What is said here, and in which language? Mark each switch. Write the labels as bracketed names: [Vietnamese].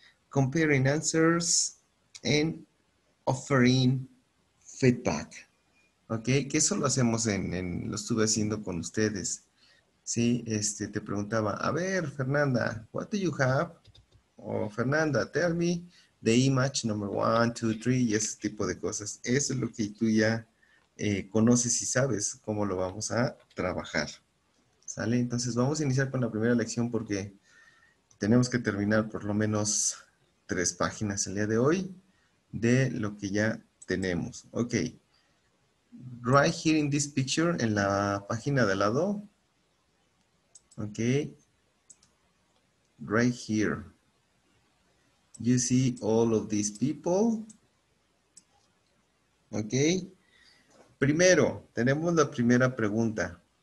[English] Comparing answers and offering feedback. [Spanish] Ok, que eso lo hacemos lo estuve haciendo con ustedes. Sí, te preguntaba, a ver, Fernanda, [English] what do you have? O Fernanda, tell me the image number one, two, three, [Spanish] y ese tipo de cosas. Eso es lo que tú ya conoces y sabes cómo lo vamos a trabajar. ¿Sale? Entonces vamos a iniciar con la primera lección porque tenemos que terminar por lo menos tres páginas el día de hoy de lo que ya tenemos. Ok. [English] Right here in this picture, [Spanish] en la página de al lado. [English] Okay. Right here. You see all of these people. Okay. [Spanish] Primero, tenemos la primera pregunta.